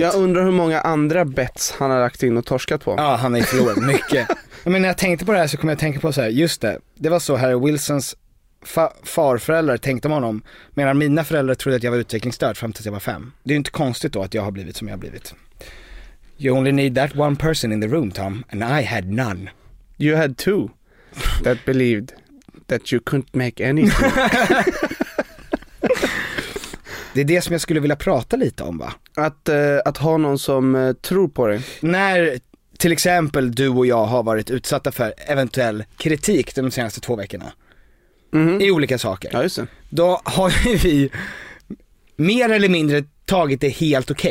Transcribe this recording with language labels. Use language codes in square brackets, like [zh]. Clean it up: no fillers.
[sv] Jag undrar hur många andra bets han har lagt in och torskat på. Ja, han är förlorat mycket. Men när jag tänkte på det här så kom jag tänka på så här, just det, det var så Harry Wilsons farföräldrar tänkte om honom, medan mina föräldrar trodde att jag var utvecklingsstörd fram tills jag var 5. Det är ju inte konstigt då att jag har blivit som jag har blivit. [en] You only need that one person in the room, Tom, and I had none. You had two that believed that you couldn't make anything. [sv] Det är det som jag skulle vilja prata lite om, va? Att ha någon som tror på dig. När till exempel du och jag har varit utsatta för eventuell kritik de senaste 2 veckorna. Mm-hmm. I olika saker. Ja, just det. Då har vi mer eller mindre tagit det helt okej.